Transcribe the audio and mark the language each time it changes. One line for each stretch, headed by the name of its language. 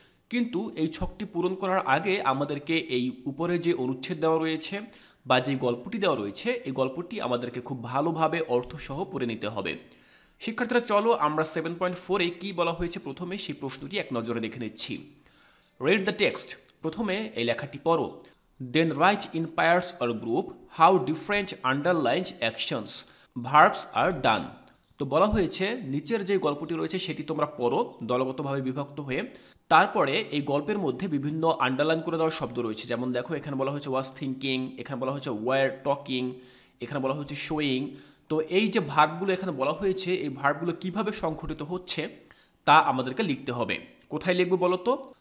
Bangla: কিন্তু এই ছকটি পূরণ করার আগে আমাদেরকে এই উপরে যে অনুচ্ছেদ দেওয়া রয়েছে বা যে গল্পটি দেওয়া রয়েছে, এই গল্পটি আমাদেরকে খুব ভালোভাবে অর্থসহ পড়ে নিতে হবে। শিক্ষার্থীরা, চলো আমরা 7.4 কী বলা হয়েছে প্রথমে সেই প্রশ্নটি এক নজরে দেখে নিচ্ছি।
English: read the text,
Bangla: প্রথমে এই লেখাটি পড়ো।
English: Then write in pairs or group how different underlined actions, verbs are done.
Bangla: তো বলা হয়েছে নিচের যে গল্পটি রয়েছে সেটি তোমরা পড়ো দলগতভাবে বিভক্ত হয়ে। তারপরে এই গল্পের মধ্যে বিভিন্ন আন্ডারলাইন করে দেওয়া শব্দ রয়েছে, যেমন দেখো এখানে বলা হয়েছে ওয়াজ থিঙ্কিং, এখানে বলা হয়েছে ওয়ার টকিং, এখানে বলা হয়েছে শোয়িং। তো এই যে ভার্বগুলো এখানে বলা হয়েছে, এই ভার্বগুলো কীভাবে সংঘটিত হচ্ছে তা আমাদেরকে লিখতে হবে। কোথায় লিখবো বলো তো?